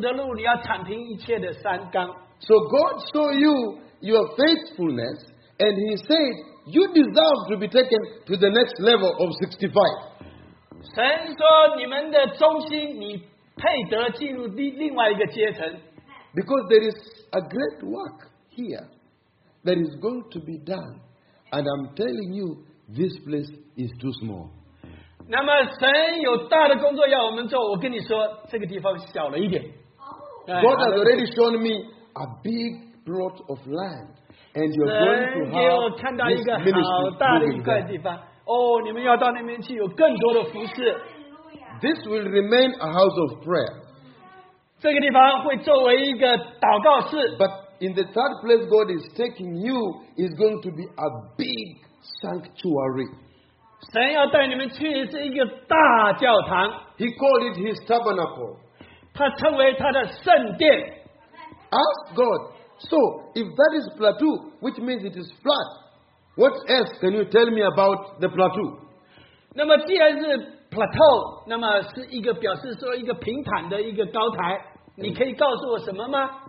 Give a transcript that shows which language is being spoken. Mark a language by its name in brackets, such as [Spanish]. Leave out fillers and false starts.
[Chinese] 神跟施洗约翰说，你要修筑主的路，你要铲平一切的山冈。 [English] So God saw you, your faithfulness, and He said you deserve to be taken to the next level of 65. [Chinese] 神说你们的忠心，你配得进入另外一个阶层。 [English] Because there is a great work here that is going to be done, and I'm telling you, this place is too small. [Chinese] 那么神有大的工作要我们做，我跟你说，这个地方小了一点。 [English] God has already shown me a big plot of land, and you're going to have this ministry. [Chinese] 哦，你们要到那边去，有更多的服事。 [English] This will remain a house of prayer. [Chinese] 这个地方会作为一个祷告室。 [English] But in the third place, God is taking you is going to be a big sanctuary. [Chinese] 神要带你们去是一个大教堂。 [English] He called it His tabernacle. [Chinese] 他称为他的圣殿。 [English] Ask God. So if that is plateau, which means it is flat, what else can you tell me about the plateau? [Chinese] 那么既然是 plateau, 那么是一个表示说一个平坦的一个高台。你可以告诉我什么吗？